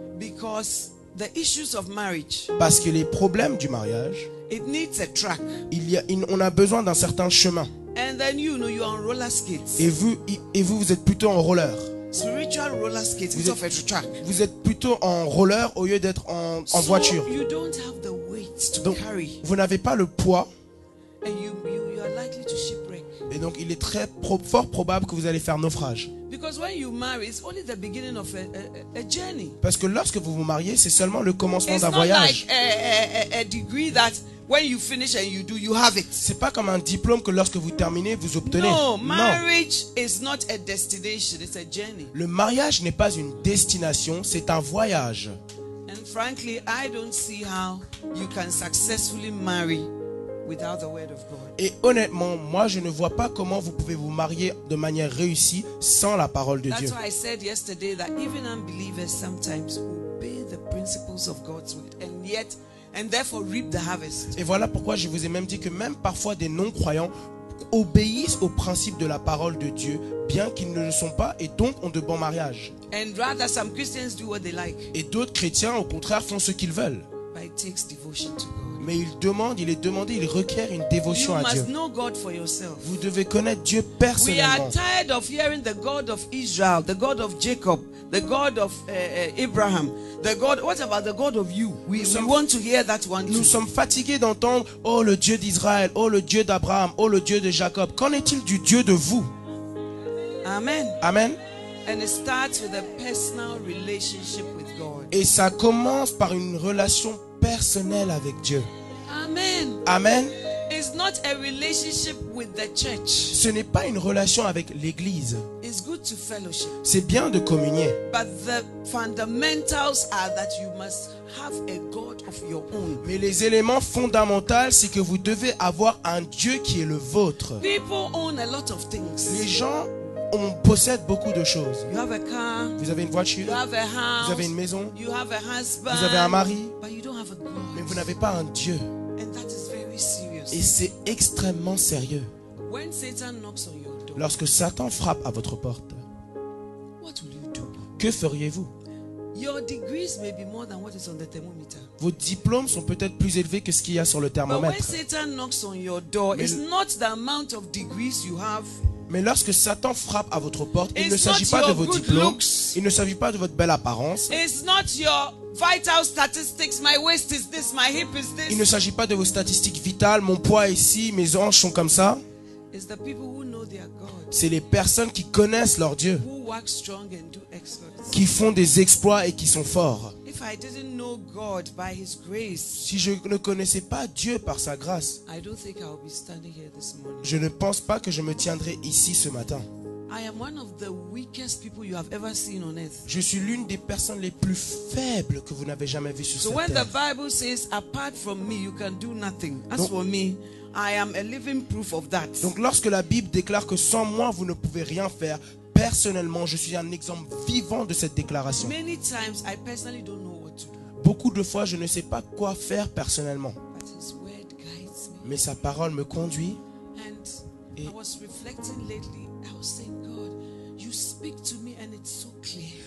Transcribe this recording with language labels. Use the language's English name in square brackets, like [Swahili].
[English] Because the issues of marriage, [French] parce que les problèmes du mariage, [English] it needs a track. [French] On a besoin d'un certain chemin. [English] And then you know you're on roller skates. [French] Et vous êtes plutôt en roller. [English] Spiritual roller skates instead of a track. [French] Vous êtes plutôt en roller au lieu d'être en [English] so [French] voiture. [English] You don't have the weight to [French] donc, [English] carry. [French] Vous n'avez pas le poids. [English] And you are likely to shipwreck. [French] Et donc il est très fort probable que vous allez faire naufrage. [English] Because when you marry, it's only the beginning of a journey. [French] Parce que lorsque vous vous mariez, c'est seulement le commencement [English] it's [French] d'un voyage. [English] It's not like a degree that when you finish and you do, you have it. [French] C'est pas comme un diplôme que lorsque vous terminez, vous obtenez. [English] No, marriage is not a destination, it's a journey. [French] Le mariage n'est pas une destination, c'est un voyage. [English] And frankly, I don't see how you can successfully marry without the word of God. [French] Et honnêtement, moi je ne vois pas comment vous pouvez vous marier de manière réussie sans la parole de Dieu. [English] That's why I said yesterday that even unbelievers sometimes obey the principles of God's word and yet and therefore reap the harvest. [French] Et voilà pourquoi je vous ai même dit que même parfois des non-croyants obéissent au principe de la parole de Dieu, bien qu'ils ne le sont pas et donc ont de bons mariages. [English] And rather some Christians do what they like. [French] Et d'autres chrétiens, au contraire, font ce qu'ils veulent. [English] But it takes devotion to God. [French] Mais il requiert une dévotion [English] you [French] à [English] must [French] Dieu. [English] Know God for yourself. [French] Vous devez connaître Dieu personnellement. [English] We are tired of hearing the God of Israel, the God of Jacob, the God of Abraham, the God. What about the God of you? We want to hear that one. [French] Nous sommes fatigués d'entendre oh le Dieu d'Israël, oh le Dieu d'Abraham, oh le Dieu de Jacob. Qu'en est-il du Dieu de vous? [English] Amen. Amen. And it starts with a personal relationship with God. [French] Et ça commence par une relation personnelle avec Dieu. [English] Amen. Amen. It's not a relationship with the church. [French] Ce n'est pas une relation avec l'église. [English] It's good to fellowship. [French] C'est bien de communier. [English] But the fundamentals are that you must have a God of your own. [French] Mais les éléments fondamentaux, c'est que vous devez avoir un Dieu qui est le vôtre. [English] People own a lot of things. [French] Les gens on possède beaucoup de choses. [English] You have a car, [French] vous avez une voiture. [English] You have a house, [French] vous avez une maison. [English] You have a husband, [French] vous avez un mari. [English] But you don't have a God. [French] Mais vous n'avez pas un Dieu. [English] And that is very serious. [French] Et c'est extrêmement sérieux. [English] When Satan knocks on your door, [French] lorsque Satan frappe à votre porte, [English] what will you do? [French] Que feriez-vous? [English] Your degrees may be more than what is on the thermometer. [French] Vos diplômes sont peut-être plus élevés que ce qu'il y a sur le thermomètre. [English] But when Satan knocks on your door, it's not the amount of degrees you have. [French] Mais lorsque Satan frappe à votre porte, [English] it's [French] il ne s'agit pas de vos diplômes, il ne s'agit pas de votre belle apparence. [English] It's not your vital statistics. My waist is this, my hip is this. [French] Il ne s'agit pas de vos statistiques vitales. Mon poids est ici, mes hanches sont comme ça. [English] It's the people who know their God. [French] C'est les personnes qui connaissent leur Dieu. [English] Who work strong and do exploits. [French] Qui font des exploits et qui sont forts. [English] If I didn't know God by His grace, [French] si je ne connaissais pas Dieu par sa grâce, [English] I don't think I'll be standing here this morning. [French] Je ne pense pas que je me tiendrai ici ce matin. [English] I am one of the weakest people you have ever seen on earth. [French] Je suis l'une des personnes les plus faibles que vous n'avez jamais vues sur cette terre. [English] So when the Bible says, apart from me, you can do nothing. As for me, I am a living proof of that. [French] Donc lorsque la Bible déclare que sans moi vous ne pouvez rien faire, personnellement je suis un exemple vivant de cette déclaration. [English] Many times I personally don't know what to do. [French] Beaucoup de fois je ne sais pas quoi faire personnellement. [English] But His word guides me. [French] Mais sa parole me conduit. [English] And et I was reflecting lately, I was saying, God, you speak to me and it's so clear.